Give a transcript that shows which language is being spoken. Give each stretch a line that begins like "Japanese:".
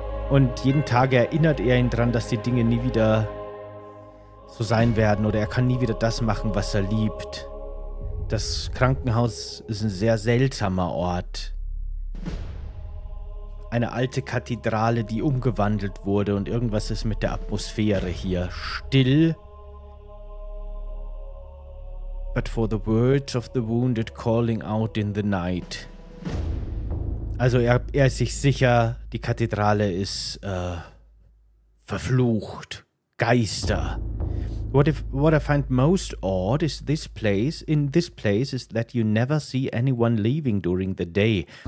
German: Und jeden Tag erinnert er ihn dran, dass die Dinge nie wieder so sein werden oder er kann nie wieder das machen, was er liebt. Das Krankenhaus ist ein sehr seltsamer Ort. Eine alte Kathedrale, die umgewandelt wurde und irgendwas ist mit der Atmosphäre hier.
English: Still. But for the words of the wounded calling out in the night.
German: Also er ist sich sicher, die Kathedrale ist verflucht. Geister.
English: What I find most odd is this place. In this place is that you never see anyone leaving during the day.